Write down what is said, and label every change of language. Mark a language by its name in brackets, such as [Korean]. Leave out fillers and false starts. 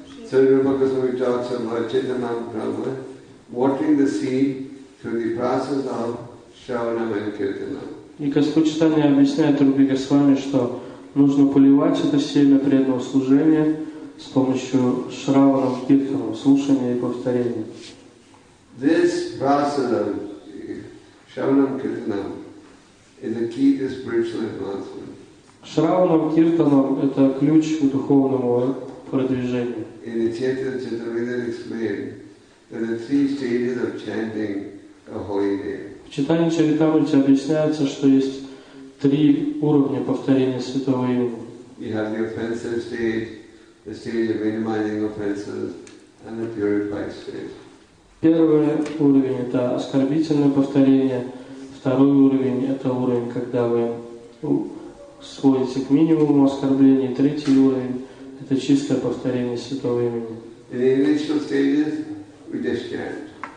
[English] So, Rupa Goswami talks about Chaitanya Mahaprabhu watering the seed through the process of Shravanam and Kirtanam. [Russian] И Господь Читания объясняет Рупе Госвами, что нужно поливать это семя преданного служения с помощью шравана, киртана, слушания и повторения. [English] This vasana, shravanam, kirtanam, is the key to spiritual advancement. [Russian] Шравана, киртана – это ключ к духовному продвижению. [English] In the Chaitanya Charitamrita explained that the three stages of chanting a holy name. [Russian] В читании Чаритамрити объясняется, что есть три уровня повторения святого имени. [English] You have the offensive stage, the stage of minimizing offenses, and the purified stage. [Russian] Первый уровень – это оскорбительное повторение. Второй уровень – это уровень, когда вы сводите к минимуму оскорбления. Третий уровень – это чистое повторение святого имени. [English] In the initial stages, we just chant.